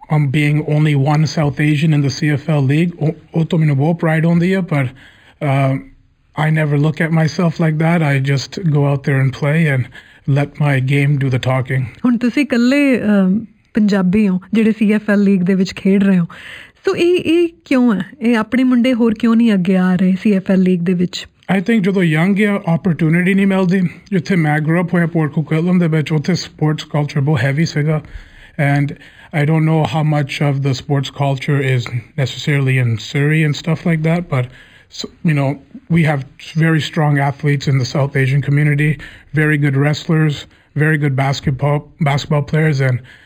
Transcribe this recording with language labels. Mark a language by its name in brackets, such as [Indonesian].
[English] being only one south asian in the cfl league [Punjabi] utto mainu bahut pride hundi hai par [English] I never look at myself like that. I just go out there and play and let my game do the talking. [Punjabi] ਹੁਣ ਤੁਸੀਂ ਇਕੱਲੇ ਪੰਜਾਬੀ ਹੋ ਜਿਹੜੇ CFL league ਦੇ ਵਿੱਚ ਖੇਡ ਰਹੇ ਹੋ ਸੋ ਇਹ ਇਹ ਕਿਉਂ ਹੈ ਇਹ ਆਪਣੇ ਮੁੰਡੇ ਹੋਰ ਕਿਉਂ ਨਹੀਂ ਅੱਗੇ ਆ ਰਹੇ CFL ਲੀਗ ਦੇ ਵਿੱਚ [English] I think [Punjabi] ਜਦੋਂ ਯੰਗ ਆ ਓਪਰਚੁਨਿਟੀ ਨਹੀਂ ਮਿਲਦੀ ਜਿੱਥੇ ਮੈਂ ਗਰੋ ਅਪ ਹੋਇਆ ਪੋਰਟ ਕੋਕਲਮ ਦੇ ਵਿੱਚ ਉੱਥੇ ਸਪੋਰਟਸ ਕਲਚਰ ਬਹੁਤ ਹੈਵੀ ਸੀਗਾ and [English] I don't know how much of the sports culture is necessarily in Surrey and stuff like that but so, you know we have very strong athletes in the South Asian community very good wrestlers very good basketball players and